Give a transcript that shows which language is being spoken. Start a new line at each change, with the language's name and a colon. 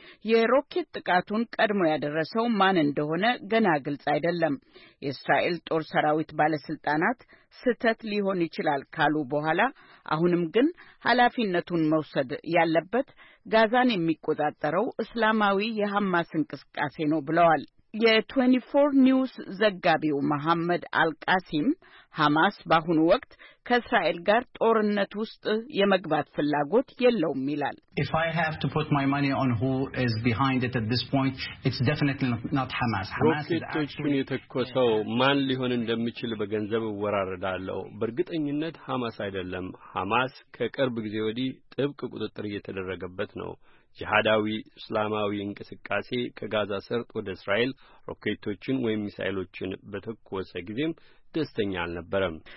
Amharic: የሮኬት ጥቃቱን ቀድሞ ያደረሰው ማን እንደሆነ ገና ግልጽ አይደለም። የእስራኤል ጦር ሰራዊት ባለስልጣናት ስህተት ሊሆን ይችላል ካሉ በኋላ አሁንም ግን ኃላፊነቱን መውሰድ ያለበት ጋዛን የሚቆጣጠረው እስላማዊ የሐማስ እንቅስቃሴ ነው ብለዋል። የ24 ኒውስ ዘጋቢው መሐመድ አልቃሲም ሐማስ በአሁኑ ወቅት ከእስራኤል ጋር ጦርነት ውስጥ የመግባት ፍላጎት የለውም ይላል።
English: If I have to put my money on who is behind it at this point, it's definitely not Hamas. Hamas is actually
Amharic: የተኮሰው ማን ሊሆን እንደሚችል በገንዘብ ወራረዳለው። በርግጠኝነት ሐማስ አይደለም። ሐማስ ከቅርብ ጊዜ ወዲህ ጥብቅ ቁጥጥር እየተደረገበት ነው። ጂሃዳዊ እስላማዊ እንቅስቃሴ ከጋዛ ሰርጥ ወደ እስራኤል ሮኬቶችን ወይም ሚሳኤሎችን በተኮሰ ጊዜም ደስተኛ አልነበረም።